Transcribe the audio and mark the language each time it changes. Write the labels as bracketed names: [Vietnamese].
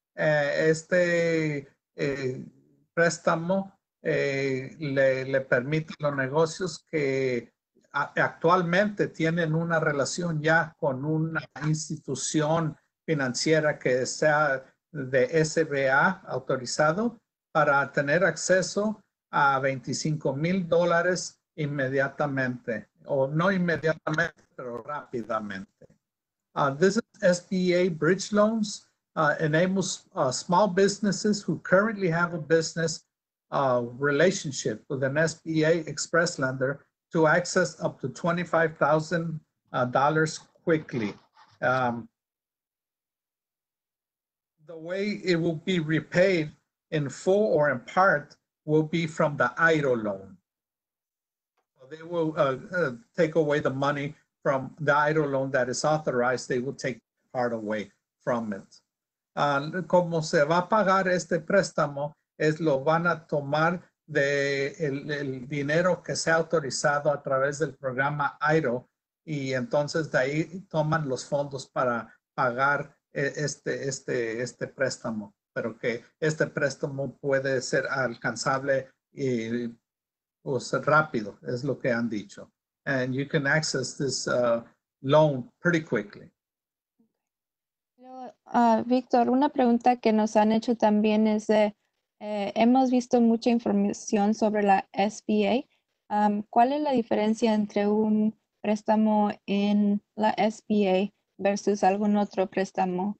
[Spanish] Préstamo le permite a los negocios que actualmente tienen una relación ya con una institución financiera que sea de SBA autorizado para tener acceso a $25,000 inmediatamente, o no inmediatamente, pero rápidamente. [English] This is SBA bridge loans enables small businesses who currently have a business relationship with an SBA Express lender to access up to $25,000 quickly. The way it will be repaid in full or in part will be from the EIDL loan. They will take away the money from the EIDL loan that is authorized. They will take part away from it. [Spanish] Como se va a pagar este préstamo, es lo van a tomar de el dinero que se ha autorizado a través del programa EIDL, y entonces de ahí toman los fondos para pagar este préstamo, pero que este préstamo puede ser alcanzable y pues rápido, es lo que han dicho. [English] And you can access this loan pretty quickly. [Spanish] Víctor, una pregunta que nos han hecho también es de, hemos visto mucha información sobre la SBA. ¿Cuál es la diferencia entre un préstamo en la SBA versus algún otro préstamo?